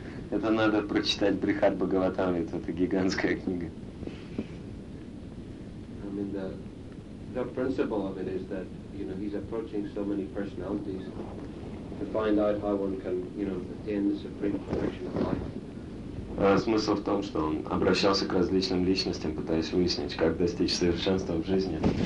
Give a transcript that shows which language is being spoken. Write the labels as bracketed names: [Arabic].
[Russian] Это надо прочитать Брихат Бхагаватам, это гигантская книга. [English] I mean the principle of it is that, you know, he's approaching so many personalities to find out how one can, you know, attain the supreme perfection of life. [Russian] Смысл в том, что он обращался к различным личностям, пытаясь выяснить, как достичь совершенства в жизни.